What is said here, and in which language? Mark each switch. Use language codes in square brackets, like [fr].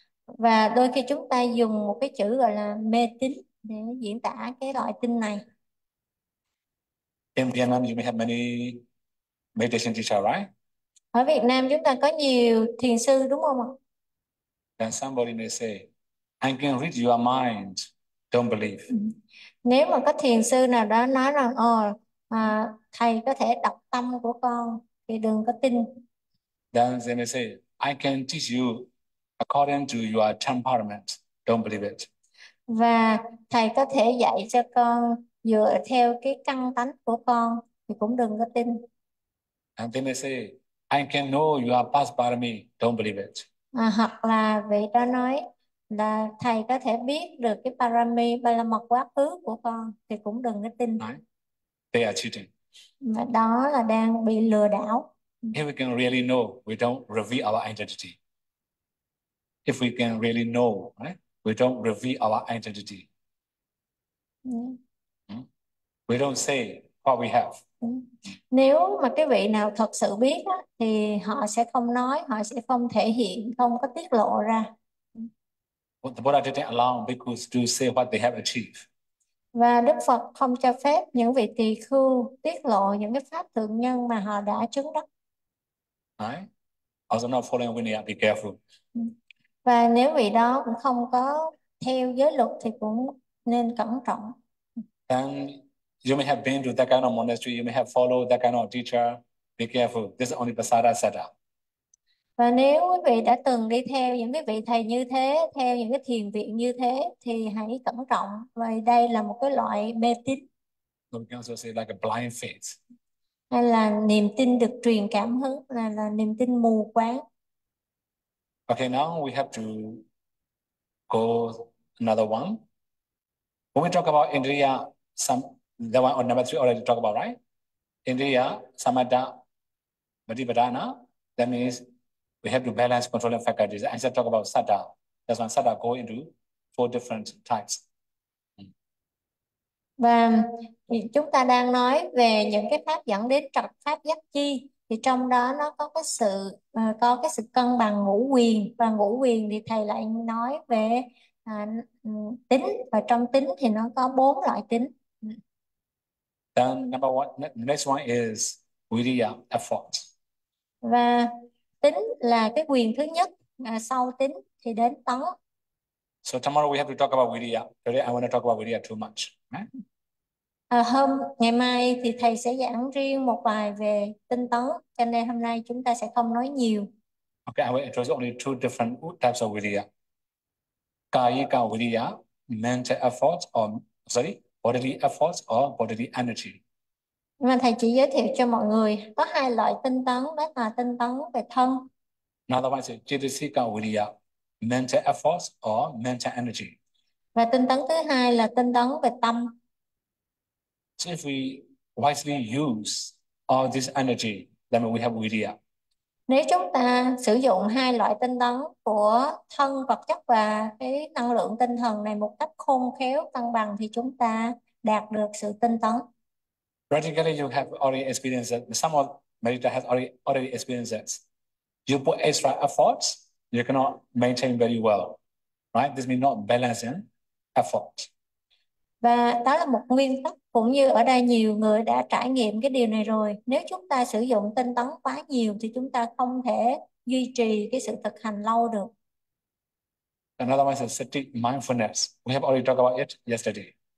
[vi] Và đôi khi chúng ta dùng một cái chữ gọi là mê tín để diễn tả cái loại tin này. [en] In Vietnam, you may have many meditation teacher, right? [vi] Ở Việt Nam chúng ta có nhiều thiền sư đúng không ạ? [en] Then somebody may say, I can read your mind, don't believe. [vi] Nếu mà có thiền sư nào đó nói rằng thầy có thể đọc tâm của con thì đừng có tin. [en] Then they may say, I can teach you according to your temperament. Don't believe it. [vi] Và thầy có thể dạy cho con dựa theo cái căn tánh của con thì cũng đừng có tin. [en] And they may say, I can know your past parami. Don't believe it. [vi] Hoặc là vị đó nói là thầy có thể biết được cái parami ba la mật quá khứ của con thì cũng đừng có tin, [en] Right? They are cheating. [vi] mà đó là đang bị lừa đảo. [en] If we can really know, we don't reveal our identity. If we can really know, right? We don't reveal our identity. We don't say what we have. [vi] Nếu mà cái vị nào thật sự biết á, thì họ sẽ không nói, họ sẽ không thể hiện, không có tiết lộ ra. [en] What the Buddha didn't allow bhikkhus to say what they have achieved. [vi] Và Đức Phật không cho phép những vị tỳ khưu tiết lộ những cái pháp thượng nhân mà họ đã chứng [en] Right? Also not following Vinaya, be careful. [vi] đắc. Và nếu vị đó cũng không có theo giới luật thì cũng nên cẩn trọng. [en] Then you may have been to that kind of monastery, you may have followed that kind of teacher. Be careful. This is only Basara set up. [vi] Và nếu quý vị đã từng đi theo những cái vị thầy như thế, theo những cái thiền viện như thế thì hãy cẩn trọng, vì đây là một cái loại mê tín [en] We can also say like a blind faith. [vi] hay là niềm tin được truyền cảm hứng, là niềm tin mù quáng. [en] Okay, now we have to go another one. When we talk about Indriya, the one on number three already talk about, right? Indriya, Samadha, Vadivadana, that means we have to balance controlling faculties. I said talk about Sada. That's when Sada go into four different types. [vi] Và chúng ta đang nói về những cái pháp dẫn đến trật pháp giác chi, thì trong đó nó có cái sự cân bằng ngũ quyền, và ngũ quyền thì thầy lại nói về tính, và trong tính thì nó có bốn loại tính. [en] Then next one is vidya, [vi] Và tính là cái quyền thứ nhất, sau tính thì đến tấn. [en] effort. So tomorrow we have to talk about vidya. Today I want to talk about vidya too much. Right? [vi] Ngày mai thì thầy sẽ giảng riêng một bài về tinh tấn, cho nên hôm nay chúng ta sẽ không nói nhiều. [en] Okay, I will introduce only two different types of vidya. Kayika vidya, mental effort, or sorry, bodily efforts or bodily energy. [vi] Mà thầy chỉ giới thiệu cho mọi người có hai loại tinh tấn, đó là tinh tấn về thân. [en] Another one is chittika vidya, mental efforts or mental energy. [vi] Và tinh tấn thứ hai là tinh tấn về tâm. [en] So if we wisely use all this energy, then we have vidya. [vi] Nếu chúng ta sử dụng hai loại tinh tấn của thân vật chất và cái năng lượng tinh thần này một cách khôn khéo cân bằng thì chúng ta đạt được sự tinh tấn. [en] Practically, you have already experienced it. Some of meditator has already experienced it. You put extra efforts, you cannot maintain very well, right? This means not balancing effort. [vi] Và đó là một nguyên tắc, cũng như ở đây nhiều người đã trải nghiệm cái điều này rồi. Nếu chúng ta sử dụng tinh tấn quá nhiều thì chúng ta không thể duy trì cái sự thực hành lâu được. [en] Another one is sati, mindfulness. We have already talked about it yesterday.